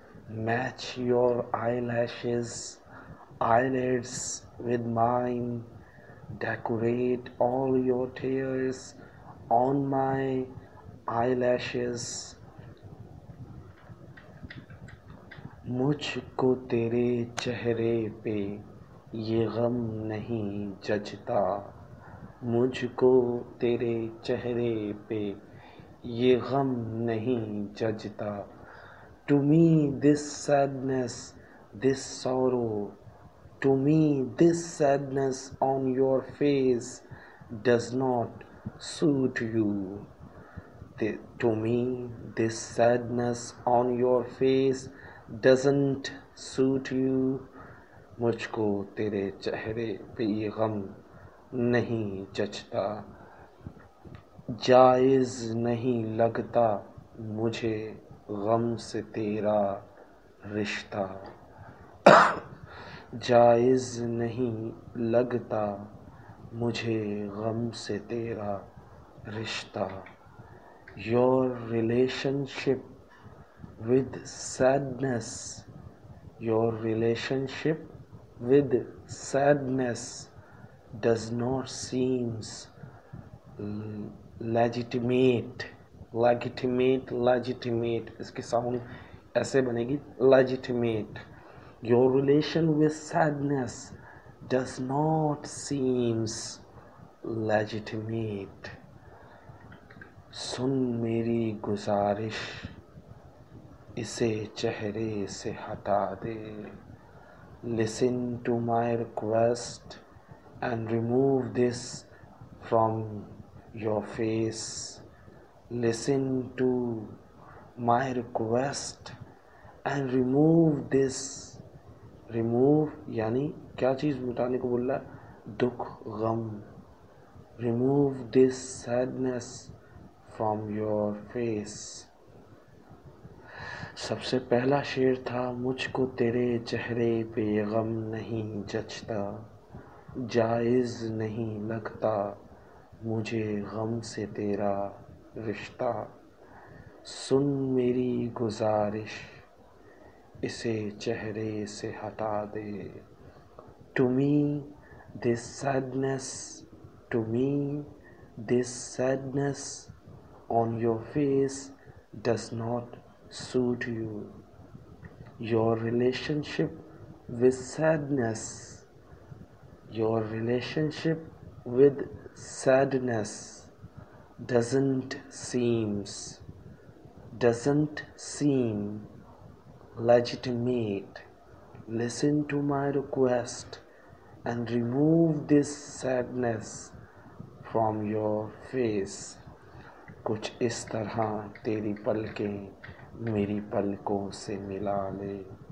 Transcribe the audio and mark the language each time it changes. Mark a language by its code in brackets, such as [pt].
[en] match your eyelashes, eyelids with mine, decorate all your tears on my eyelashes. [hi] मुझको तेरे चेहरे पे ये गम नहीं जचता, मुझको तेरे चेहरे पे ये गम नहीं जचता. [en] To me this sadness, this sorrow, to me this sadness on your face does not suit you. To me this sadness on your face doesn't suit you. [hi] मुझको तेरे चेहरे पे ये गम नहीं जचता, जायज नहीं लगता मुझे गम से तेरा रिश्ता. जायज नहीं लगता मुझे गम से तेरा रिश्ता. [en] Your relationship with sadness, your relationship with sadness does not seems legitimate. [hi] Legitimate legitimate इसकी साउंड ऐसे बनेगी, legitimate. [en] Your relation with sadness does not seems legitimate. [hi] सुन मेरी गुजारिश, इसे चेहरे से हटा दे. [en] Listen to my request and remove this from your face. Listen to my request and remove this. [hi] Remove यानी क्या चीज़ मिटाने को बोल रहा है, दुख गम. [en] Remove this sadness from your face. [hi] सबसे पहला शेर था मुझको तेरे चेहरे पे गम नहीं जचता, जायज़ नहीं लगता मुझे गम से तेरा रिश्ता. सुन मेरी गुजारिश, इसे चेहरे से हटा दे. [en] To me this sadness, to me this sadness on your face does not suit you. Your relationship with sadness, your relationship with sadness doesn't seems, doesn't seem legitimate. Listen to my request and remove this sadness from your face. [hi] Kuch is tarah teri palkein meri palkon se mila le.